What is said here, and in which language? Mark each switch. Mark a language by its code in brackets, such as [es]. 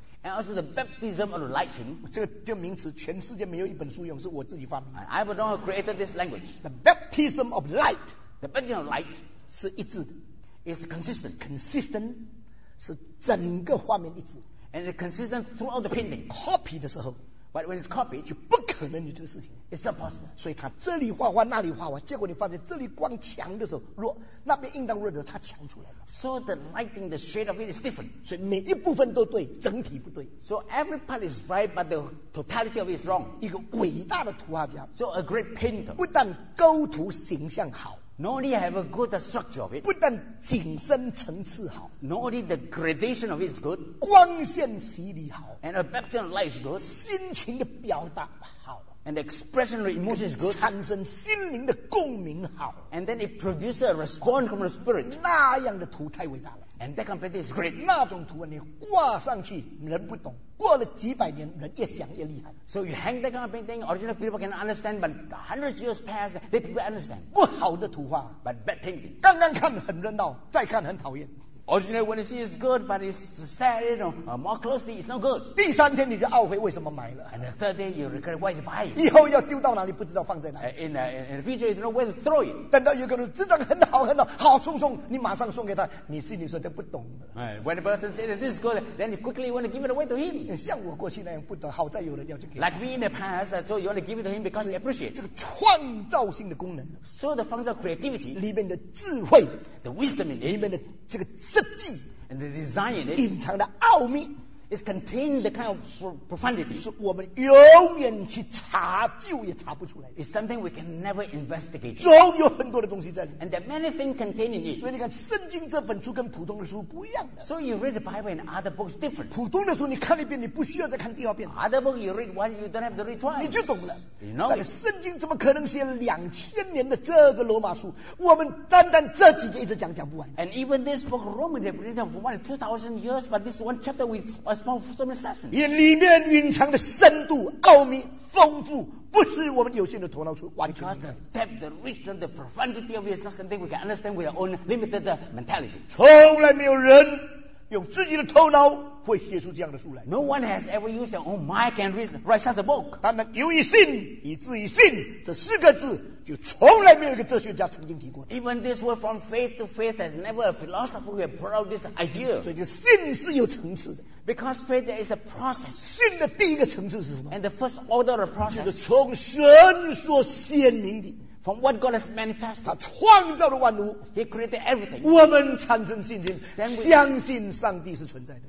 [en] and also the baptism of lightning [zh] 这个名词全世界没有一本书用是我自己发明的 [en] I don't have created this language the baptism of light the baptism of light [zh] 是一致的 [en] is consistent [zh] consistent 是整个画面一致 [en] and it's consistent throughout the painting [zh] copy 的时候 [en] But when it's copied, [zh] 就不可能有这个事情。 [en] It's impossible. [zh] 所以他这里画画，那里画画，结果你发现这里光强的时候弱，那边应当弱的，它强出来了。 [en] So the lighting, the shade of it is different. [zh] 所以每一部分都对，整体不对。 [en] So every part is right, but the totality of it is wrong. [zh] 一个伟大的图画家 [en] ，So a great painter， [zh] 不但构图形象好 [en] ，Not only have a good structure of it， [zh] 不但景深层次好 [en] ，Not only the gradation of it is good， [zh] 光线洗礼好 [en] ，And a baptism of light is good， [zh] 心情的表达好 [en] ，And the expression of emotion is good， [zh] 产生心灵的共鸣好 [en] ，And then it produces a response from the spirit。 [zh] 那样的图太伟大了 [en] ，And that kind of painting is great。 [zh] 那种图你挂上去，人不懂。过了几百年，人越想越厉害。 [en] So you hang that kind of painting, original people can understand, but hundreds of years pass, they people understand. [zh] 不好的图画 [en] ，but bad painting. [zh] 刚刚看很热闹，再看很讨厌。 [en] Originally when you see it's good, but it's sad, you know, more closely it's not good. [zh] 第三天你就懊悔为什么买了。 [en] And the third day you regret why you buy it. [zh] 以后要丢到哪里不知道放在哪里。 [en] In the future you don't know where to throw it. [zh] 等到有个人质量很好很好，好送送，你马上送给他，你心里说他不懂。 [en] When the person says that this is good, then you quickly want to give it away to him. [zh] 像我过去那样不懂，好在有人要去给。 [en] Like me in the past, so you want to give it to him because you appreciate. [zh] 这个创造性的功能。 [en] So the function of creativity. [zh] 里面的智慧。 [en] The wisdom in it. [zh] 里面的这个 [en] And the design in it [zh] 隐藏的奥秘 [en] is contained the kind of profundity [zh] 是我们永远去查究也查不出来的 [en] It's something we can never investigate [zh] 总有很多的东西在里 [en] And there are many things contained in it [zh] 所以你看圣经这本书跟普通的书不一样的 [en] So you read the Bible and other books different [zh] 普通的书你看一遍你不需要再看第二遍 [en] Other book you read one you don't have to read twice [zh] 你就懂了 [en] You know [zh] 但圣经怎么可能写两千年的这个罗马书我们单单这几节一直讲讲不完 [en] And even this book Romans have written for 2,000 years but this one chapter we spent so many sessions [zh] 也里面蕴藏的深度奥秘丰富不是我们有限的头脑出完全 [en] 明白 Because the depth, the richness, the profundity of it is not something we can understand with our own limited mentality [zh] 从来没有人用自己的头脑会写出这样的书来 [en] No one has ever used their own mind can write such a book [zh] 当然由于信以至于信这四个字就从来没有一个哲学家曾经提过 [en] Even this word from faith to faith has never a philosopher who has brought out this idea [zh] 所以就信是有层次的 [en] Because faith there is a process [zh] 信的第一个层次是什么 [en] And the first order of process [zh] 就是从神所显明的 [en] From what God has manifested [zh] 他创造了万物 [en] He created everything [zh] 我们产生信心 [en] Then we, [zh] 相信上帝是存在的